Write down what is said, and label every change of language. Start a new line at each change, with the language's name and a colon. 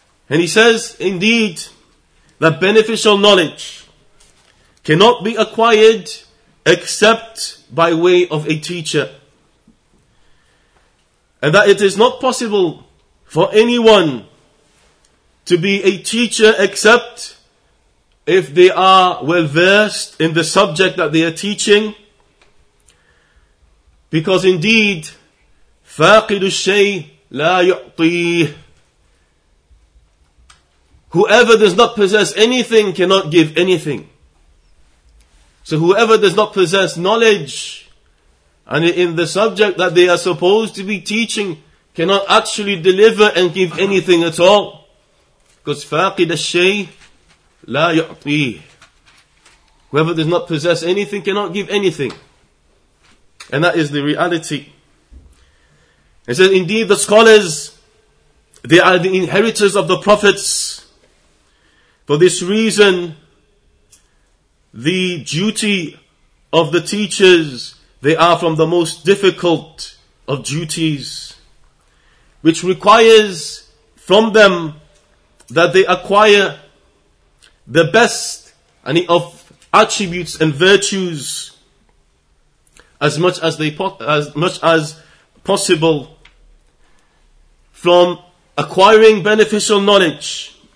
English: And he says, indeed, that beneficial knowledge cannot be acquired except by way of a teacher. And that it is not possible for anyone to be a teacher except if they are well versed in the subject that they are teaching. Because indeed,
Arabic: فاقد الشيء لا يعطيه.
English: Whoever does not possess anything cannot give anything. So whoever does not possess knowledge and in the subject that they are supposed to be teaching cannot actually deliver and give anything at all. Because
Arabic: فاقد الشيء لا يعطي.
English: Whoever does not possess anything cannot give anything. And that is the reality. It says, indeed, the scholars, they are the inheritors of the prophets. For this reason, the duty of the teachers, they are from the most difficult of duties, which requires from them that they acquire the best of attributes and virtues as much as possible from acquiring beneficial knowledge.